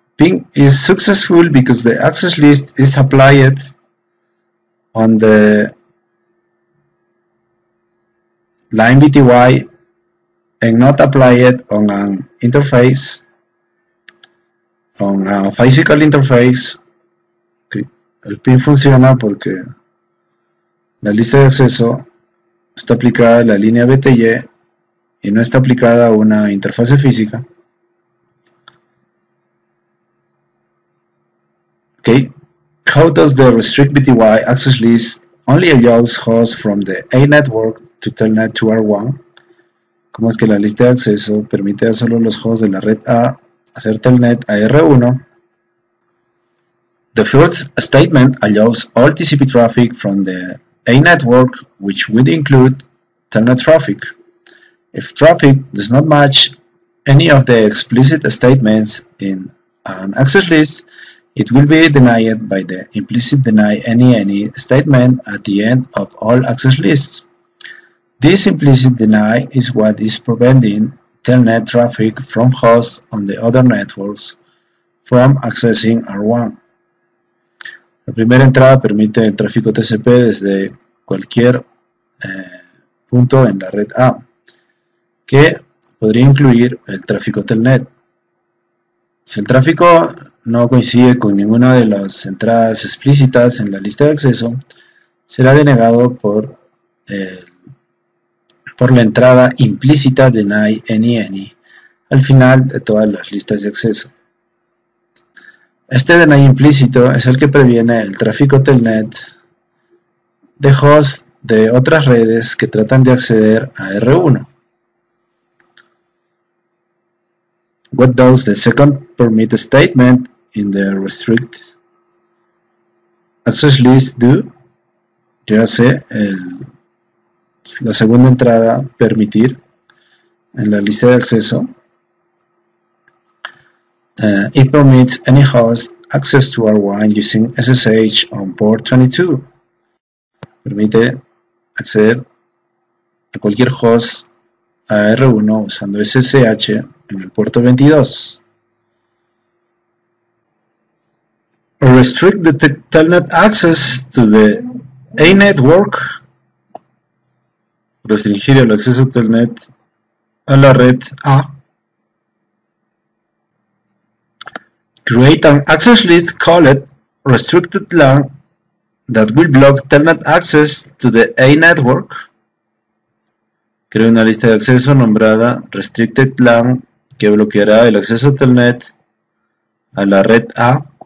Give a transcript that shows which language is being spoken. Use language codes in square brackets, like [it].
[en] Ping is successful because the access list is applied on the line BTY and not apply it on an interface, on a physical interface. Okay. [es] El ping funciona porque la lista de acceso está aplicada a la línea BTY y no está aplicada a una interfase física. [en] Okay. How does the restrict BTY access list only allows hosts from the A network to telnet to R1? [es] ¿Cómo es que la lista de acceso permite a solo los hosts de la red A hacer telnet a R1? [en] The first statement allows all TCP traffic from the A network, which would include telnet traffic. If traffic does not match any of the explicit statements in an access list, it will be denied by the implicit deny any statement at the end of all access lists. This implicit deny is what is preventing telnet traffic from hosts on the other networks from accessing R1. [es] La primera entrada permite el tráfico TCP desde cualquier punto en la red A, que podría incluir el tráfico telnet. Si el tráfico no coincide con ninguna de las entradas explícitas en la lista de acceso, será denegado por la entrada implícita de deny any al final de todas las listas de acceso. Este deny implícito es el que previene el tráfico telnet de hosts de otras redes que tratan de acceder a R1. [en] What does the second permit statement in the restrict access list do? [es] ¿Qué hace la segunda entrada permitir en la lista de acceso? [en] It permits any host access to R1 using SSH on port 22. [es] Permite acceder a cualquier host a R1 usando SSH en el puerto 22. [en] Restrict the telnet access to the A network. [es] restringir el acceso a Telnet a la red A. [en] Create an access list called restricted LAN that will block Telnet access to the A network. [es] Crea una lista de acceso nombrada restricted LAN que bloqueará el acceso a Telnet a la red A.